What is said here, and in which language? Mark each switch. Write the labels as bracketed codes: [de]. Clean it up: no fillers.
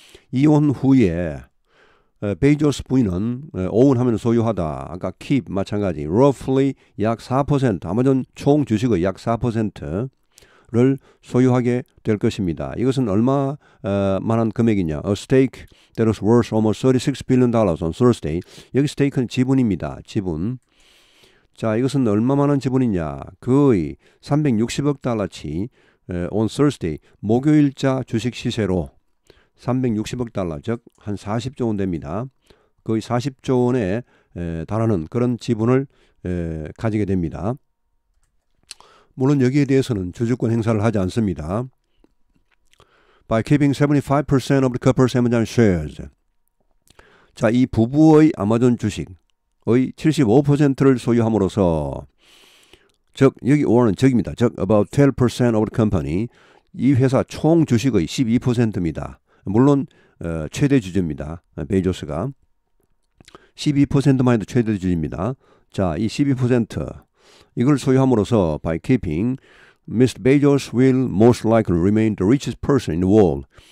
[ko] 이혼 후에 베이조스 부인은 own하면 소유하다. 아까 keep 마찬가지. roughly 약 4% 아마존 총 주식의 약 4%를 소유하게 될 것입니다. 이것은 얼마만한 금액이냐. [en] A stake that was worth almost $36 billion on Thursday. [ko] 여기 stake는 지분입니다. 지분. 자, 이것은 얼마만한 지분이냐. 거의 360억 달러치 [en] on Thursday [ko] 목요일자 주식 시세로 360억 달러, 즉 한 40조 원 됩니다. 거의 40조 원에 달하는 그런 지분을 가지게 됩니다. 물론 여기에 대해서는 주주권 행사를 하지 않습니다. [en] By keeping 75% of the couple's Amazon shares. [ko] 자, 이 부부의 아마존 주식의 75%를 소유함으로써 즉 여기 원은 적입니다. [en] 즉 about 12% of the company. [ko] 이 회사 총 주식의 12%입니다. 물론 최대 주주입니다. 베이조스가 12%만 해도 최대 주주입니다. 자, 이 12% 이걸 소유함으로써 [en] by keeping Mr. Bezos will most likely remain the richest person in the world.